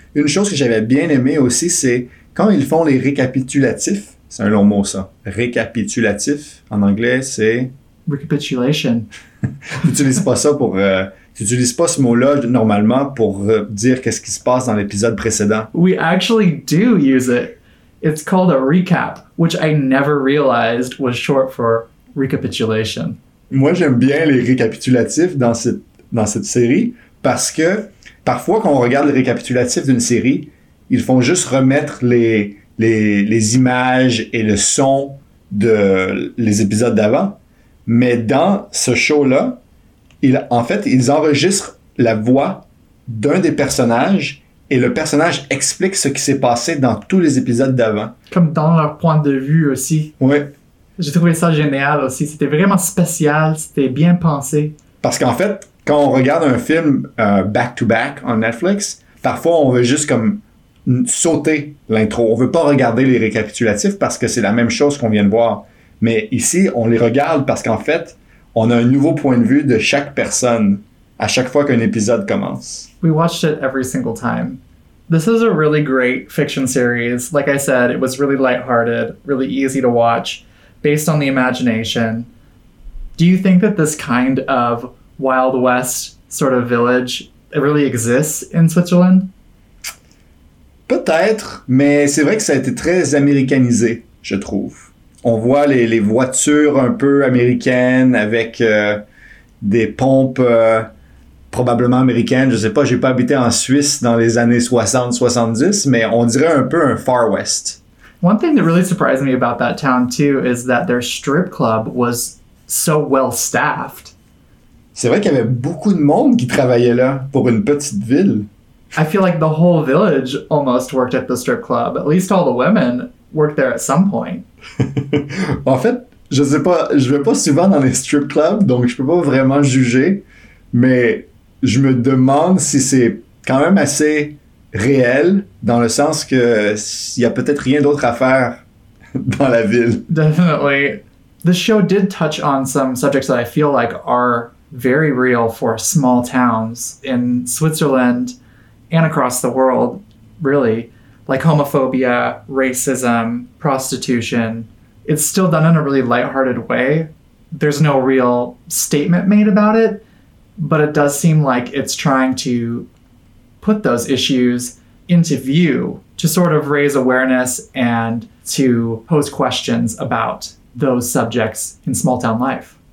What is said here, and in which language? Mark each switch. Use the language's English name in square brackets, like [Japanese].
[French] Une chose que j'avais bien aimé aussi, c'est quand ils font les récapitulatifs. C'est un long mot, ça. Récapitulatif, en anglais, c'est... [English] Recapitulation. [French] T'utilises pas ça pour... T'utilises pas ce mot-là normalement pour dire qu'est-ce qui se passe dans l'épisode précédent. [English] We actually do use it. It's called a recap, which I never realized was short for recapitulation. [French] Moi, j'aime bien les récapitulatifs dans cette série parce que parfois, quand on regarde les récapitulatifs d'une série, ils font juste remettre les images et le son de les épisodes d'avant. Mais dans ce show-là, ils enregistrent la voix d'un des personnages et le personnage explique ce qui s'est passé dans tous les épisodes d'avant. Comme dans leur point de vue aussi. Oui. J'ai trouvé ça génial aussi. C'était vraiment spécial, c'était bien pensé. Parce qu'en fait, quand on regarde un film back-to-back en Netflix, parfois on veut juste comme sauter l'intro. On veut pas regarder les récapitulatifs parce que c'est la même chose qu'on vient de voir. Mais ici, on les regarde parce qu'en fait, on a un nouveau point de vue de chaque personne à chaque fois qu'un épisode commence. [English] We watched it every single time. This is a really great fiction series. Like I said, it was really lighthearted, really easy to watch, based on the imagination. Do you think that this kind of Wild West sort of village, it really exists in Switzerland? [French] Peut-être, mais c'est vrai que ça a été très américanisé, je trouve. On voit les voitures un peu américaines avec des pompes probablement américaines. Je sais pas, j'ai pas habité en Suisse dans les années 60-70, mais on dirait un peu un Far West. [English] One thing that really surprised me about that town too is that their strip club was so well staffed. [French] C'est vrai qu'il y avait beaucoup de monde qui travaillait là pour une petite ville. [English] I feel like the whole village almost worked at the strip club. At least all the women worked there at some point. [French] En fait, je sais pas, je vais pas souvent dans les strip clubs, donc je peux pas vraiment juger, mais je me demande si c'est quand même assez réel, dans le sens que il y a peut-être rien d'autre à faire dans la ville. [English] Definitely. The show did touch on some subjects that I feel like are very real for small towns in Switzerland and across the world, really, like homophobia, racism, prostitution. It's still done in a really lighthearted way. There's no real statement made about it, but it does seem like it's trying to put those issues into view to sort of raise awareness and to pose questions about those subjects in small town life.